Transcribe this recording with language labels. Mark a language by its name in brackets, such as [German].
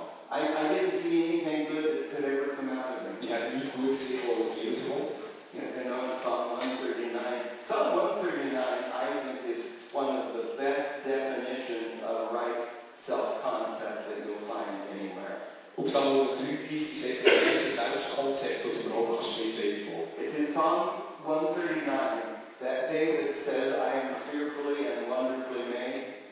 [English] I didn't see anything good that could ever come out of me. Yeah, you could see what was beautiful. You know, in Psalm 139. Psalm 139, I think, is one of the best definitions of right self-concept that you'll find anywhere. [German] Und Psalm 139 ist eigentlich das beste Selbstkonzept, das du überhaupt kannst finden. [English] It's in Psalm 139. That David says, I am fearfully and wonderfully made.